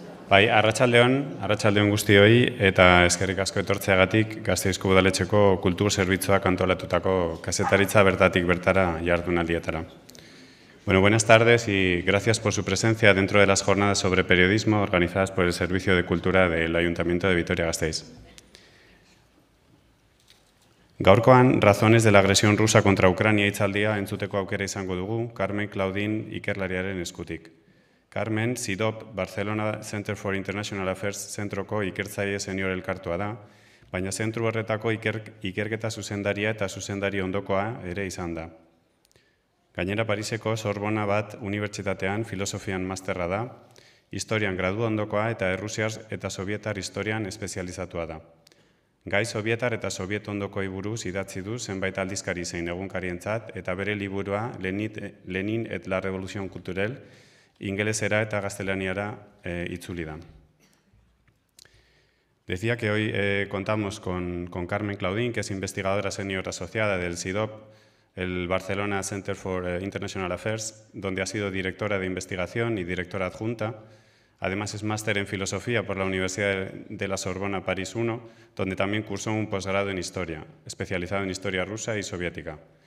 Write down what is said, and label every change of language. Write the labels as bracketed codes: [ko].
[eu] Bai, arratsaldeon guztioi eta eskerrik asko etortzeagatik Gasteizko Udaletxeko Kultur Zerbitzuak antolatutako kazetaritza bertatik bertara jardunaldietara. [es] Bueno, buenas tardes y gracias por su presencia dentro de las jornadas sobre periodismo organizadas por el Servicio de Cultura del Ayuntamiento de Vitoria-Gasteiz. [eu] Gaurkoan, [es] razones de la agresión rusa contra Ucrania [eu] hitzaldia entzuteko aukera izango dugu, Carmen Claudin ikerlariaren eskutik. Carmen Sidop, Barcelona Center for International Affairs zentroko ikertzaile senior elkartua da, baina zentru horretako ikerketa zuzendaria eta zuzendari ondokoa ere izan da. Gainera Pariseko Sorbona bat unibertsitatean filosofian masterra da, historian gradua ondokoa eta errusiar eta sovietar historian espezializatua da. Gai sovietar eta soviet ondokoi buruz idatzi du zenbait aldizkari zein egunkarientzat eta bere liburua Lenin et la Revolución Cultural ingelesera eta gazteleaniara itzuli da. [es] Decía que hoy contamos con Carmen Claudin, que es investigadora senior asociada del SIDOP, el Barcelona Center for International Affairs, donde ha sido directora de investigación y directora adjunta. Además, es máster en filosofía por la Universidad de la Sorbona París I, donde también cursó un posgrado en historia, especializado en historia rusa y soviética.